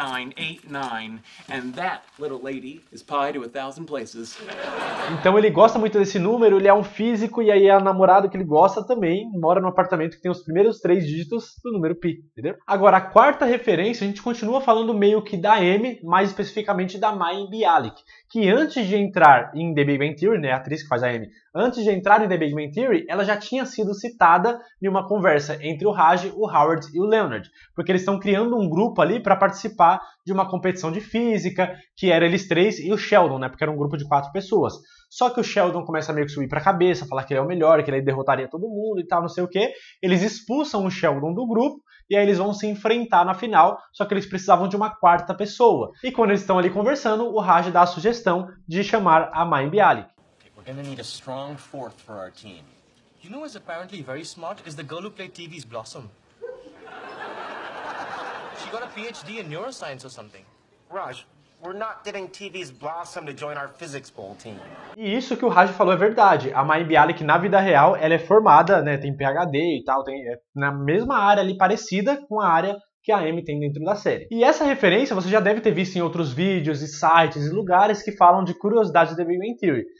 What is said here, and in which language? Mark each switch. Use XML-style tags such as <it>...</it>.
<en>216420189, and that little lady is pi to 1000 places.</en> <pt>Então ele gosta muito desse número, ele é um físico, e aí a namorada que ele gosta também mora num apartamento que tem os primeiros três dígitos do número pi, entendeu? Agora, a quarta referência, a gente continua falando meio que da Amy, mais especificamente da Mayim Bialik, que antes de entrar em The Big Bang Theory, né, a atriz que faz a Amy, antes de entrar em The Big Bang Theory, ela já tinha sido citada em uma conversa entre o Raj, o Howard e o Leonard, porque eles estão criando um grupo ali para participar de uma competição de física, que era eles três e o Sheldon, né, porque era um grupo de quatro pessoas. Só que o Sheldon começa meio que subir para a cabeça, falar que ele é o melhor, que ele derrotaria todo mundo e tal, não sei o quê. Eles expulsam o Sheldon do grupo e aí eles vão se enfrentar na final, só que eles precisavam de uma quarta pessoa. E quando eles estão ali conversando, o Raj dá a sugestão de chamar a Mayim Bialik.</pt> <en>We're gonna need a strong fourth for our team. You know who's apparently very smart is the girl who played TV's Blossom. She got a PhD in neuroscience or something. Raj, we're not getting TV's Blossom to join our physics bowl team.</en> <pt>E isso que o Raj falou é verdade. A Mayim Bialik, na vida real, ela é formada, né, tem PhD e tal, é na mesma área ali, parecida com a área que a Amy tem dentro da série. E essa referência você já deve ter visto em outros vídeos e sites e lugares que falam de curiosidades de The Big Bang Theory.</pt>